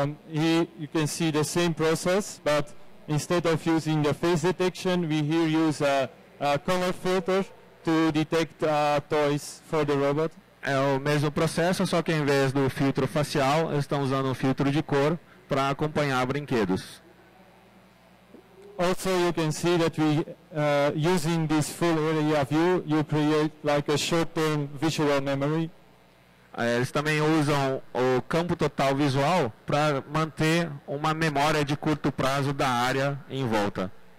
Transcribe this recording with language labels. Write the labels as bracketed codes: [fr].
[en] You can see the same process, but instead of using the face detection, we here use a color filter to detect toys for the robot. [pt] É o mesmo processo, só que em vez do filtro facial, eles estão usando um filtro de cor para acompanhar brinquedos. [en] Also, you can see that we using this full area view, you create like a short-term visual memory. [pt] Eles também usam o campo total visual para manter uma memória de curto prazo da área em volta.